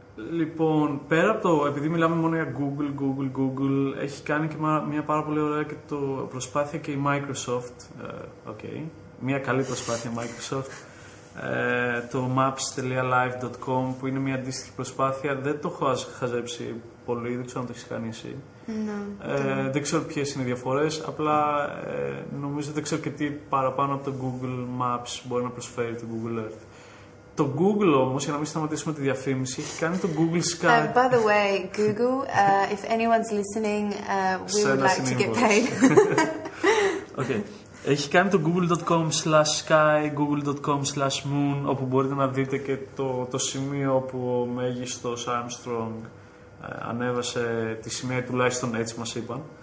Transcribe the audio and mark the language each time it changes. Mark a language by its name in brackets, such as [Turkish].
[Greek] Λοιπόν, πέρα από το, επειδή μιλάμε μόνο για Google, έχει κάνει και μια πάρα πολύ ωραία και το προσπάθεια και η Microsoft, okay, μια καλή προσπάθεια Microsoft, το maps.live.com που είναι μια αντίστοιχη προσπάθεια, δεν το έχω χαζέψει πολύ, δεν ξέρω αν το έχεις κάνει εσύ. Δεν ξέρω ποιες είναι οι διαφορές, απλά νομίζω δεν ξέρω και τι παραπάνω από το Google Maps μπορεί να προσφέρει το Google Earth. Το Google όμως, για να μην σταματήσουμε τη διαφήμιση, έχει κάνει το Google Sky. [English] By the way, Google, if anyone's listening, we would like to get paid. Okay. [Greek] Έχει κάνει το google.com/sky, google.com/moon, όπου μπορείτε να δείτε και το σημείο που ο μέγιστος Armstrong ανέβασε τη σημαία, τουλάχιστον έτσι μας είπαν.